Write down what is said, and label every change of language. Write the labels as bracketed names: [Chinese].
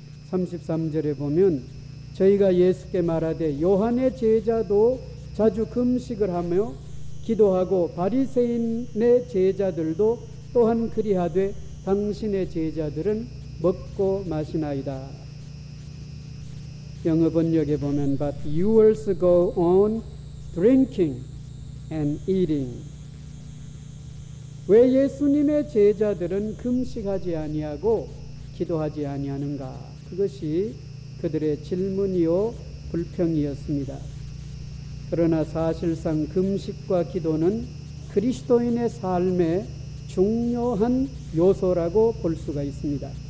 [Korean] 33절에 보면 저희가 예수께 말하되 요한의 제자도 자주 금식을 하며 기도하고 바리새인의 제자들도 또한 그리하되 당신의 제자들은 먹고 마시나이다. 영어 번역에 보면 [English] But yours go on drinking and eating. [Korean] 왜 예수님의 제자들은 금식하지 아니하고 기도하지 아니하는가? 그것이 그들의 질문이요 불평이었습니다. 그러나 사실상 금식과 기도는 그리스도인의 삶의 중요한 요소라고 볼 수가 있습니다.